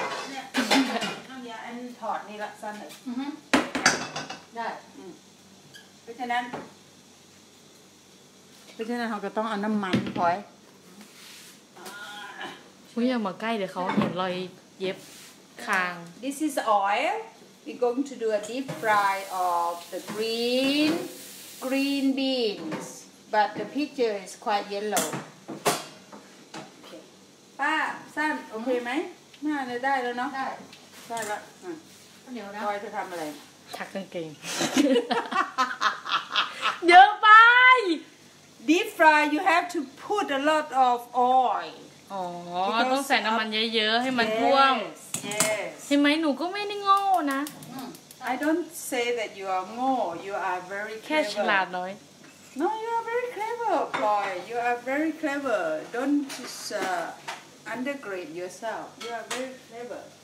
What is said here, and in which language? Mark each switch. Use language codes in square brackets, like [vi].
[th] เนี่ยเอานี้อันถอดนี่ละสั้นเลยได้เพราะฉะนั้น เราก็ต้องเอาน้ำมันพอย ไม่ยอมมาใกล้เดี๋ยวเขาเห็นรอยเย็บคาง [en] This is oil. We're going to do a deep fry of the green beans. But the picture is quite yellow. Okay. [th] ป้าสั้นโอเคไหมน่าจะได้แล้วเนาะ ได้ ละ เดี๋ยวนะจะทำอะไร ถักกางเกงเยอะไป [en] Deep fry you have to put a lot of oil. [th] อ๋อต้องใส่น้ำมันเยอะๆให้มันท่วม [en] yes, Yes. [th] เห็นไหมหนูก็ไม่ได้โง่นะ [en] I don't say that you are ngo. You are very clever. [th] แค่ฉลาดน้อย [en] No, you are very clever, boy. You are very clever. Don't just undergrade yourself. You are very clever.